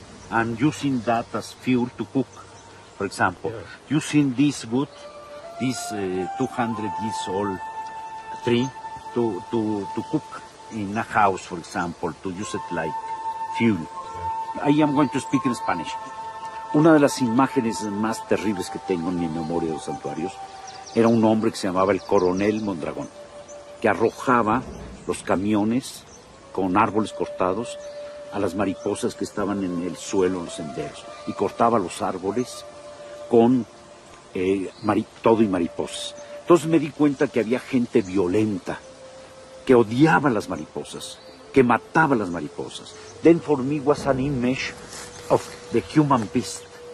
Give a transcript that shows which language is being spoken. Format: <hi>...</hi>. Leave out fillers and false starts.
<en>I'm using that as fuel to cook, for example. Yeah. You see this wood, this 200 years old tree, to cook in a house, for example, to use it like fuel. Yeah. I am going to speak in Spanish.</en> <es>Una de las imágenes más terribles que tengo en mi memoria de los santuarios era un hombre que se llamaba el coronel Mondragón, que arrojaba los camiones con árboles cortados a las mariposas que estaban en el suelo, en los senderos, y cortaba los árboles con todo y mariposas. Entonces me di cuenta que había gente violenta, que odiaba las mariposas, que mataba las mariposas.</es> <en>Then for me was an image of the human beast.</en>